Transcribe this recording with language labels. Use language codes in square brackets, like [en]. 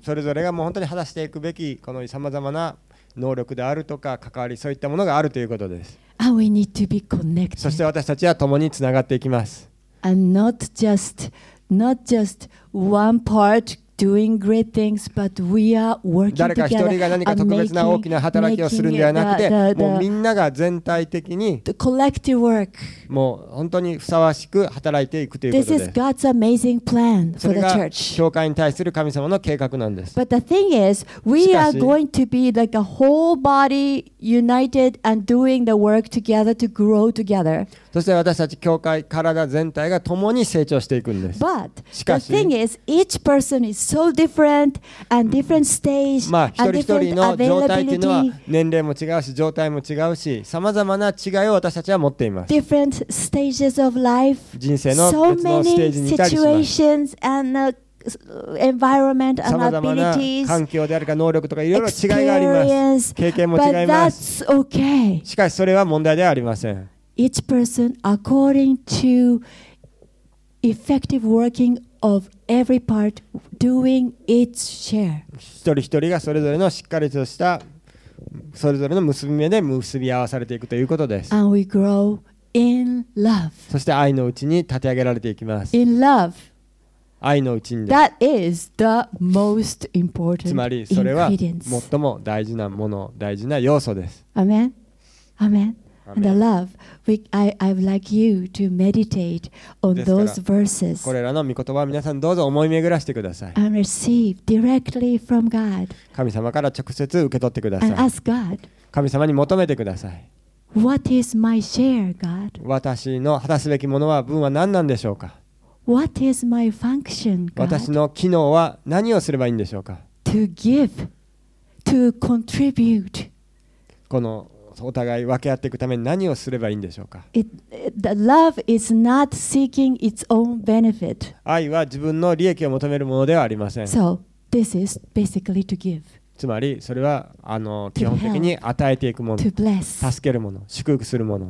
[ja] それぞれがもう本当に果たしていくべきこのさまざまな能力であるとか関わり、そういったものがあるということです。 [en] And we need to be connected. [ja] そして私たちは共につながっていきます。 [en] And not just one part doing great things, but we are working together. [ja] 誰か一人が何か特別な大きな働きをするんではなくて、もうみんなが全体的に、もう本当にふさわしく働いていくということです。 [en] This is God's amazing plan for the church. [ja] それが教会に対する神様の計画なんです。 [en] But the thing is, we are going to be like a whole body united and doing the work together to grow together. [ja] そして私たち教会、体全体が共に成長していくんです。 [en] But the thing is, each person is so different and different stage. [ja] まあ一人一人の状態というのは年齢も違うし、状態も違うし、さまざまな違いを私たちは持っています。 [en] Different stages of life. [ja] 人生の別のステージにいたりします。 [en] So many situations and environment and abilities. [ja] さまざまな環境であるか能力とかいろいろ違いがあります。経験も違います。 [en] But that's okay. [ja] しかしそれは問題ではありません。 [en] Each person according to effective working of every part doing its share. [ja] 一人一人がそれぞれのしっかりとしたそれぞれの結び目で結び合わされていくということです。 [en] And we grow in love. [ja] そして愛のうちに立て上げられていきます。 [en] In love. [ja] 愛のうちに。 [en] That is the most important ingredients. [ja] つまりそれは最も大事なもの、大事な要素です。 [en] Amen. Amen. And the love, I would like you to meditate on those verses. [ja] これらの御言葉は皆さんどうぞ思い巡らしてください。 [en] And receive directly from God. [ja] 神様から直接受け取ってください。 [en] And ask God. [ja] 神様に求めてください。 [en] What is my share, God? [ja] 私の果たすべきものは分は何なんでしょうか。 [en] What is my function, God? [ja] 私の機能は何をすればいいんでしょうか。 [en] To give, to contribute. [ja] このお互い分け合っていくために何をすればいいんでしょうか。 [en] The love is not seeking its own benefit. [ja] 愛は自分の利益を求めるものではありません。 [en] So this is basically to give. [ja] つまりそれは基本的に与えていくもの、 [en] help, bless, [ja] 助けるもの、祝福するもの。